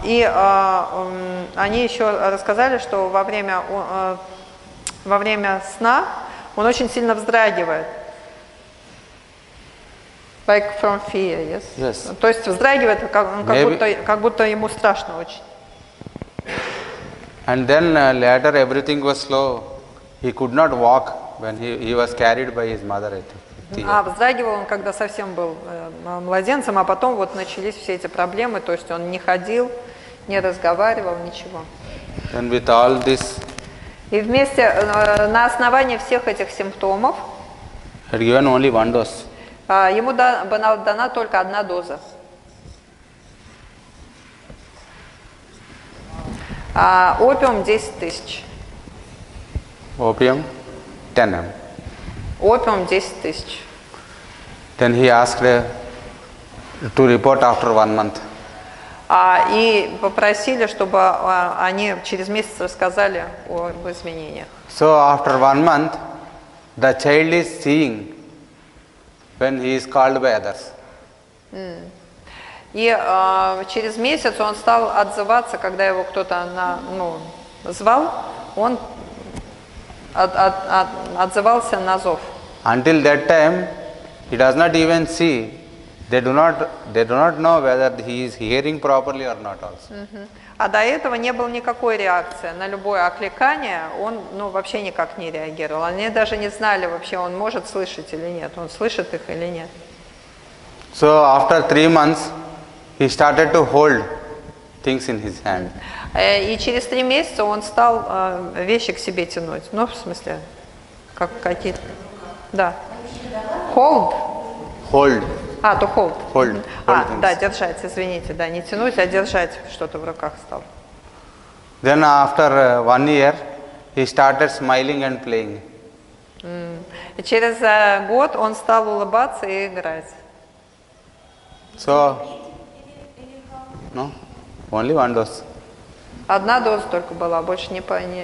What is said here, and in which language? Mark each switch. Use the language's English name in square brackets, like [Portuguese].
[Russian] И они еще рассказали, что во время сна он очень сильно вздрагивает. [English] Like from fear, yes? Yes. [Russian] То есть вздрагивает, как будто ему страшно очень. [English] And then later everything was slow. He could not walk when he was carried by his mother, I think. [Russian] Вздрагивал он, когда совсем был младенцем, а потом вот начались все эти проблемы, то есть он не ходил, не разговаривал, ничего. [English] And with all this, [Russian] и вместе, на основании всех этих симптомов, [English] had given only one dose. [Russian] Ему была дана только одна доза. Опиум 10 тысяч. Опиум 10 м. Опиум 10 тысяч. [English] Then he asked to report after 1 month. [Russian] И попросили, чтобы они через месяц рассказали об изменениях. [English] So after 1 month, the child is seeing when he is called by others. [Russian] И через месяц он стал отзываться, когда его кто-то звал, он отзывался на зов. [English] Until that time, he does not even see. They do not know whether he is hearing properly or not also. [Russian] А до этого не было никакой реакции на любое окликание. Он вообще никак не реагировал. Они даже не знали вообще, он может слышать или нет. Он слышит их или нет. [English] So after 3 months, he started to hold things in his hand. [Russian] И через 3 месяца он стал вещи к себе тянуть. В смысле, как какие-то. Да. [English] Hold. Hold. То hold. Hold. [Russian] Да, держать, извините, да, не тянуть, а держать что-то в руках стал. [English] Then after 1 year, he started smiling and playing. [Russian] И через год он стал улыбаться и играть. [English] So, no, only one dose. [Russian] Одна доза только была, больше не по.